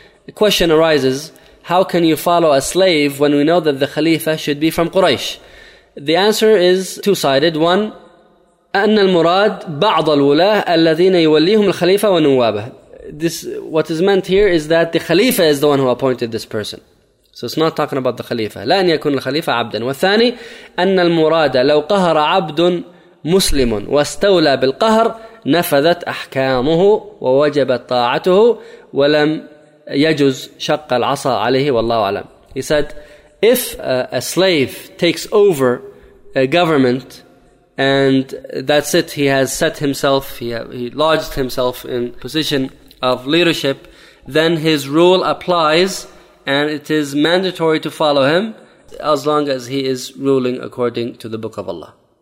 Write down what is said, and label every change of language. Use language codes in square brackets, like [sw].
[en] The question arises, how can you follow a slave when we know that the Khalifa should be from Quraysh? The answer is two-sided. One, [ar] أَنَّ الْمُرَادْ بَعْضَ الْوُلَاهِ الَّذِينَ يُوَلِّيهُمُ الْخَلِيفَةَ وَنُوَابَهُ. [en] This, what is meant here is that the Khalifa is the one who appointed this person. So it's not talking about the Khalifa. [ar] لا أن يكون الخليفة عبدا. والثاني أن المرادة لو قهر عبد مسلم واستولى بالقهر نفذت أحكامه ووجبت طاعته ولم يجز شق العصا عليه والله أعلم. [en] He said, if a slave takes over a government and that's it, he has set himself, he lodged himself in position of leadership, then his rule applies and it is mandatory to follow him as long as he is ruling according to the book of Allah.